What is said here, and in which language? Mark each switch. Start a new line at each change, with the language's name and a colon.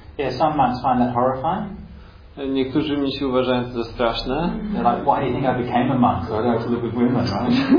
English: Yeah, some monks find that horrifying.
Polish: Niektórzy mnisi uważają to za straszne.
English: They're like, why do you think I became a monk? So I don't have to live with women, right?